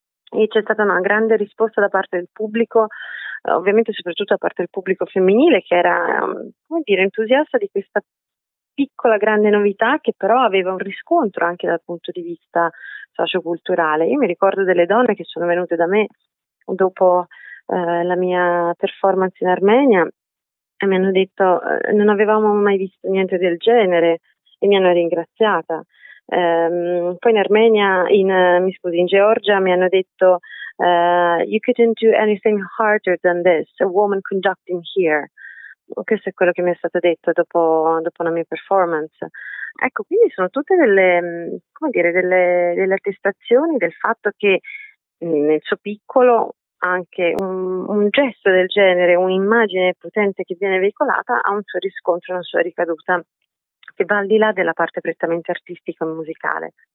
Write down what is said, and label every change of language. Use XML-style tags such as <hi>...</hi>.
<it>E c'è stata una grande risposta da parte del pubblico, ovviamente soprattutto da parte del pubblico femminile, che era, come dire, entusiasta di questa piccola grande novità, che però aveva un riscontro anche dal punto di vista socioculturale. Io mi ricordo delle donne che sono venute da me dopo la mia performance in Armenia e mi hanno detto non avevamo mai visto niente del genere, e mi hanno ringraziata. Poi in Armenia, in Georgia, mi hanno detto</it> <en>you couldn't do anything harder than this, a woman conducting here.</en> <it>Questo è quello che mi è stato detto dopo la mia performance. Ecco, quindi sono tutte delle attestazioni del fatto che nel suo piccolo anche un gesto del genere, un'immagine potente che viene veicolata, ha un suo riscontro, una sua ricaduta che va al di là della parte prettamente artistica e musicale.</it>